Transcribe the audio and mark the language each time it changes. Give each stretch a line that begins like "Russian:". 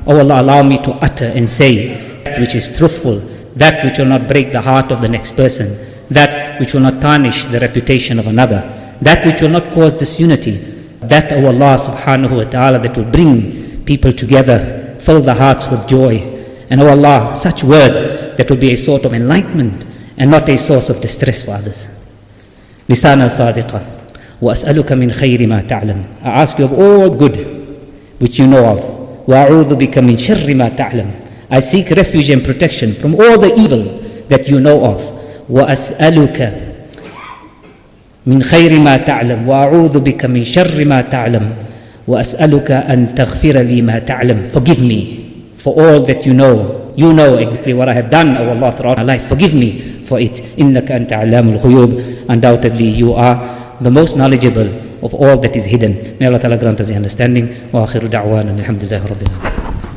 English: Oh Allah, allow me to utter and say that which is truthful, that which will not break the heart of the next person, that which will not tarnish the reputation of another, that which will not cause disunity, that, oh Allah subhanahu wa ta'ala, that will bring people together, fill the hearts with joy. And oh Allah, such words that will be a sort of enlightenment and not a source of distress for others.
Arabic: لسان صادقة وأسألك من خير ما تعلم.
English: I ask you of all good which you know of.
Arabic: وأعوذ بك من شر ما تعلم.
English: I seek refuge and protection from all the evil that you know of.
Arabic: وأسألك من خير ما تعلم. وأعوذ بك من شر ما تعلم. وأسألك أن تغفر لي ما تعلم.
English: Forgive me for all that you know. You know exactly what I have done, O Allah, throughout my life. Forgive me for it.
Arabic: إِنَّكَ أَنْتَ عَلَّامُ الْغُيُوبِ.
English: Undoubtedly, you are the most knowledgeable of all that is hidden. May Allah Ta'ala grant us the understanding.
Arabic: وَآخِرُ دَعْوَانَ الْحَمْدُ لِلَّهِ رَبِّ الْعَالَمِينَ.